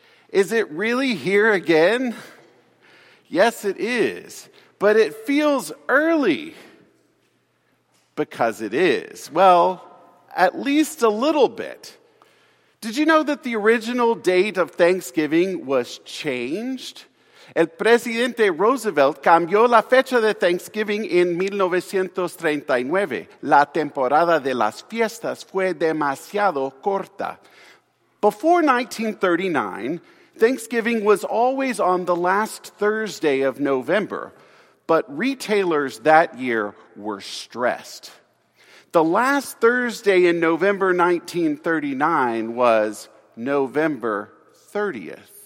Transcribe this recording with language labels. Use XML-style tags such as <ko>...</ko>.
<en>Is it really here again? Yes, it is. But it feels early. Because it is. Well, at least a little bit. Did you know that the original date of Thanksgiving was changed?</en> <es>El presidente Roosevelt cambió la fecha de Thanksgiving en 1939. La temporada de las fiestas fue demasiado corta.</es> <en>Before 1939, Thanksgiving was always on the last Thursday of November. But retailers that year were stressed. The last Thursday in November 1939 was November 30th.</en>